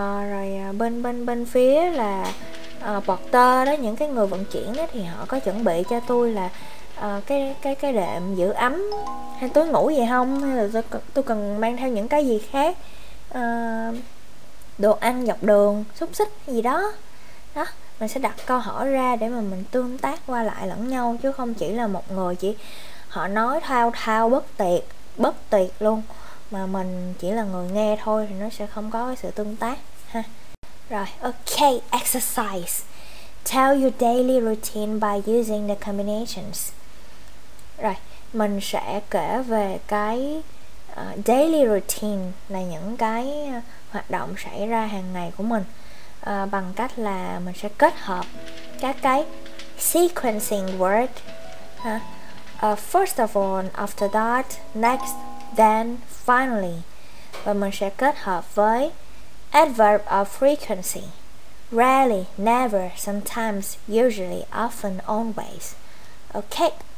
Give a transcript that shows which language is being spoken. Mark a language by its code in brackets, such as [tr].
[vi] Rồi bên bên bên phía là porter đó, những cái người vận chuyển đó, thì họ có chuẩn bị cho tôi là cái đệm giữ ấm hay túi ngủ gì không, hay là tôi cần mang theo những cái gì khác, đồ ăn dọc đường, xúc xích gì đó. Đó, mình sẽ đặt câu hỏi ra để mà mình tương tác qua lại lẫn nhau, chứ không chỉ là một người chỉ họ nói thao thao bất tuyệt luôn mà mình chỉ là người nghe thôi, thì nó sẽ không có cái sự tương tác ha. [en] Rồi, okay, exercise. Tell your daily routine by using the combinations. [vi] Rồi, mình sẽ kể về cái daily routine là những cái hoạt động xảy ra hàng ngày của mình, bằng cách là mình sẽ kết hợp các cái sequencing word ha. [en] First of all, after that, next, then, finally. [vi] Và mình sẽ kết hợp với [en] adverb of frequency: rarely, never, sometimes, usually, often, always. Okay.